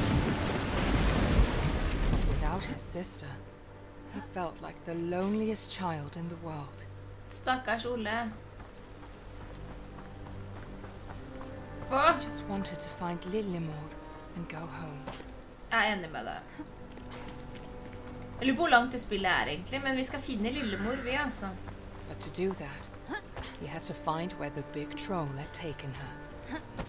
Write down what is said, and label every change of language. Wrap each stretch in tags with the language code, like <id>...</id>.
<en>Without his sister, he felt like the loneliest child in the world.</en> <no>Stakkars Ole.</no> <en>I just wanted to find Lillemor and go home.</en> <no>Jeg er enig med deg. Jeg lurer på hvor langt det spillet er egentlig, men vi skal finne Lillemor vi, altså.</no> <en>But to do that, he had to find where the big troll had taken her.</en>